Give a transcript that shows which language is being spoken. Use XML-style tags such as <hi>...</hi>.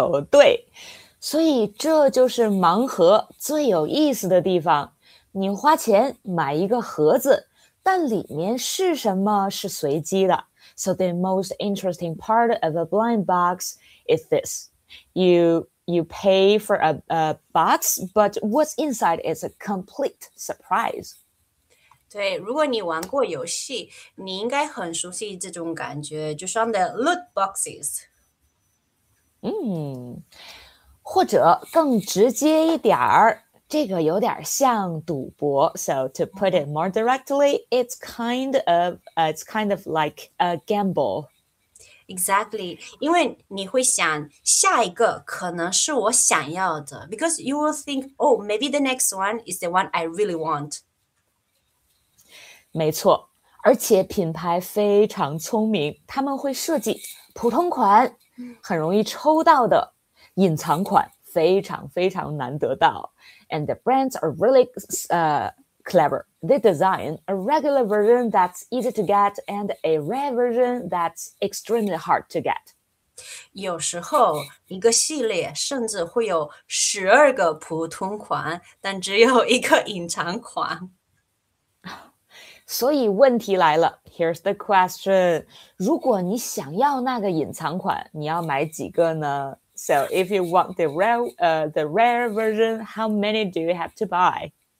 <zh>对，所以这就是盲盒最有意思的地方。你花钱买一个盒子，但里面是什么是随机的。</zh> <en>So the most interesting part of a blind box is this: you pay for a box, but what's inside is a complete surprise.</en> <zh>对，如果你玩过游戏，你应该很熟悉这种感觉，就像 the loot boxes。或者更直接一点儿，这个有点像赌博。</zh> <en>So to put it more directly, it's kind of like a gamble. Exactly，</en> <zh>因为你会想下一个可能是我想要的，</zh> <en>because you will think, oh, maybe the next one is the one I really want。</en> <zh>没错，而且品牌非常聪明，他们会设计普通款。很容易抽到的隐藏款，非常非常难得到。</zh> <en>And the brands are really clever. They design a regular version that's easy to get and a rare version that's extremely hard to get.</en> <zh>有时候一个系列甚至会有12个普通款，但只有一个隐藏款。所以问题来了，</zh> <en>Here's the question：</en> <zh>如果你想要那个隐藏款，你要买几个呢？</zh> <en>So if you want the rare version, how many do you have to buy？</en>